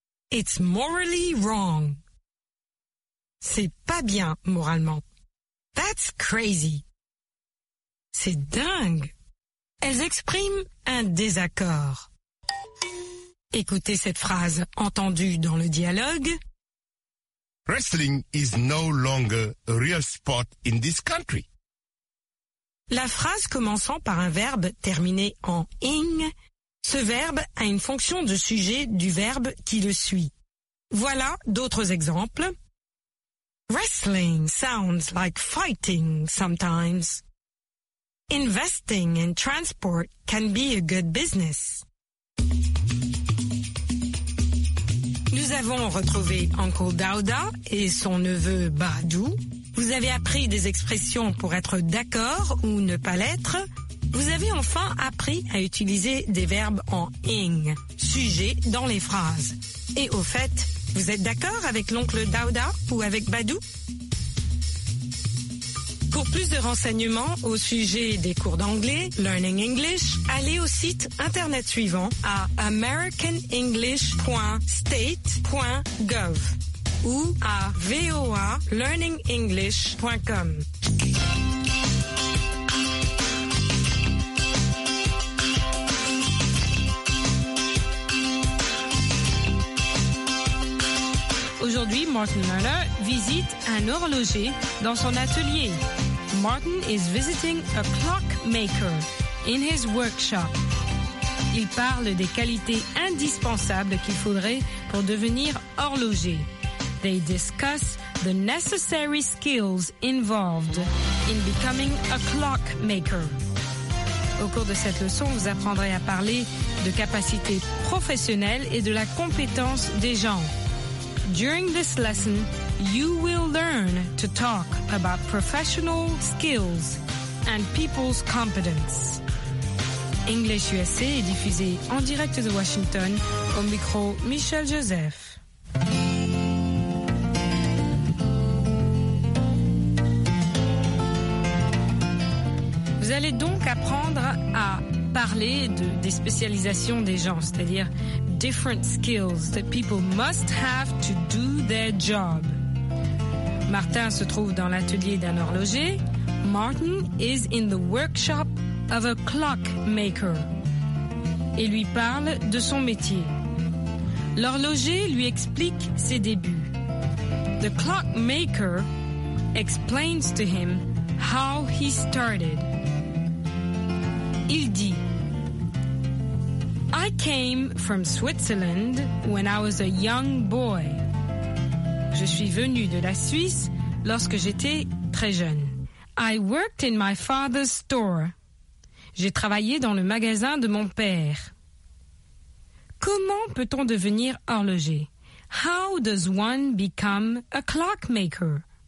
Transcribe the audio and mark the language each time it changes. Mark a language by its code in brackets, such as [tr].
[en] It's morally wrong. [fr] C'est pas bien moralement. [en] That's crazy. [fr] C'est dingue. Elles expriment un désaccord. Écoutez cette phrase entendue dans le dialogue. [en] Wrestling is no longer a real sport in this country. [fr] La phrase commençant par un verbe terminé en « ing », ce verbe a une fonction de sujet du verbe qui le suit. Voilà d'autres exemples. [en] Wrestling sounds like fighting sometimes. Investing in transport can be a good business. [fr] Nous avons retrouvé Uncle Dauda et son neveu Badou. Vous avez appris des expressions pour être d'accord ou ne pas l'être. Vous avez enfin appris à utiliser des verbes en ing, sujet dans les phrases. Et au fait, vous êtes d'accord avec l'oncle Dauda ou avec Badou? Pour plus de renseignements au sujet des cours d'anglais, Learning English, allez au site internet suivant à americanenglish.state.gov ou à voalearningenglish.com. Aujourd'hui, Martin Muller visite un horloger dans son atelier. [en] Martin is visiting a clockmaker in his workshop. [fr] Il parle des qualités indispensables qu'il faudrait pour devenir horloger. [en] They discuss the necessary skills involved in becoming a clockmaker. [fr] Au cours de cette leçon, vous apprendrez à parler de capacités professionnelles et de la compétence des gens. [en] During this lesson, you will learn to talk about professional skills and people's competence. [fr] English USA est diffusé en direct de Washington au micro Michel Joseph. Vous allez donc apprendre à parler des spécialisations des gens, c'est-à-dire [en] different skills that people must have to do their job. [fr] Martin se trouve dans l'atelier d'un horloger. [en] Martin is in the workshop of a clockmaker. [fr] Et lui parle de son métier. L'horloger lui explique ses débuts. [en] The clockmaker explains to him how he started. [fr] Il dit, [en] I came from Switzerland when I was a young boy. [fr] Je suis venu de la Suisse lorsque j'étais très jeune. [en] I worked in my father's store. [fr] J'ai travaillé dans le magasin de mon père. Comment peut-on devenir horloger? [en] How does one become a clockmaker?